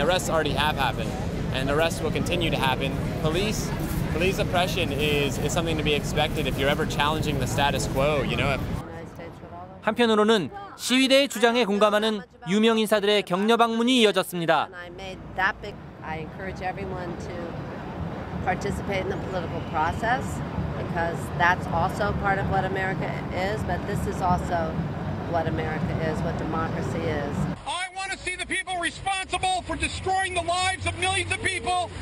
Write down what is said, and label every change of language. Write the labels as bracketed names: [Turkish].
[English] Arrests already have happened and arrests will continue to happen. Police oppression is something to be expected if you're ever challenging the status quo, you know. [Korean] 한편으로는 시위대의 주장에 공감하는 유명 인사들의 격려 방문이 이어졌습니다. [English] I encourage everyone to participate in the political process because that's also part of what America is, but this is also what America is, what democracy is. I want to see the people responsible for destroying the lives of millions of people.